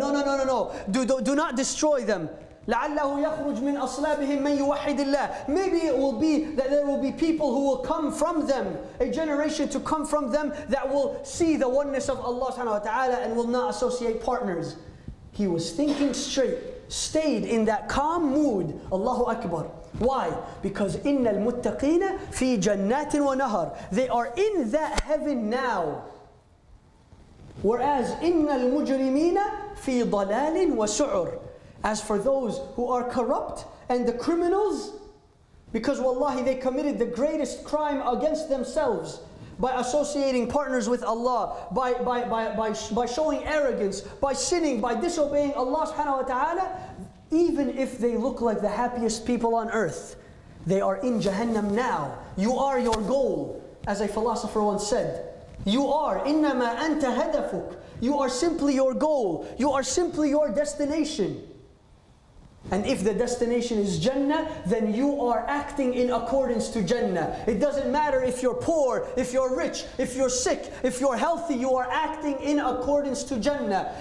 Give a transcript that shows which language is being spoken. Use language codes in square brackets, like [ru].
[en] No. Do not destroy them. [ar] لَعَلَّهُ يَخْرُجْ مِنْ أَصْلَابِهِمْ مَنْ يُوَحِّدِ اللَّهِ. [en] Maybe it will be that there will be people who will come from them, a generation to come from them that will see the oneness of Allah subhanahu wa ta'ala and will not associate partners. He was thinking straight, stayed in that calm mood. Allahu Akbar. Why? Because [ar] إِنَّ الْمُتَّقِينَ فِي جَنَّاتٍ وَنَهَرٍ. [en] They are in that heaven now. Whereas [ar] إِنَّ الْمُجْرِمِينَ فِي ضَلَالٍ وَسُعُرٍ. [en] As for those who are corrupt and the criminals, because wallahi they committed the greatest crime against themselves by associating partners with Allah, by showing arrogance, by sinning, by disobeying Allah subhanahu wa ta'ala, even if they look like the happiest people on earth, they are in Jahannam now. You are your goal, as a philosopher once said. You are, [ar] إِنَّمَا أَنْتَ هَدَفُكَ. [en] You are simply your goal. You are simply your destination. And if the destination is Jannah, then you are acting in accordance to Jannah. It doesn't matter if you're poor, if you're rich, if you're sick, if you're healthy, you are acting in accordance to Jannah.